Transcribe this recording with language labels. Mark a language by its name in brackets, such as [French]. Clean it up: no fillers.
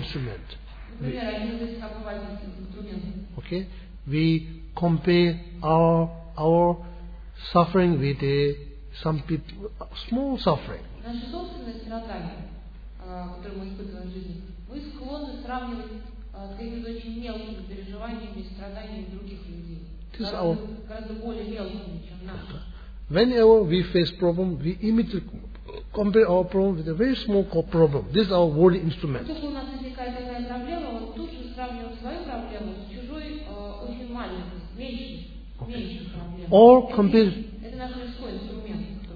[Russian] наши собственные страдания, которые мы испытываем в жизни, мы склонны сравнивать с какими-то очень мелкими переживаниями и страданиями других людей. Гораздо более мелкими, чем наши. [English] Whenever we face problem, we immediately compare our problem with a very small problem. This is our worldly instrument. [Russian] Если у нас возникает такая проблема, мы тут же сравниваем свою проблему с чужой очень маленькой, меньшей проблемой. [English] Or compare. [Russian] Это наш исходный инструмент.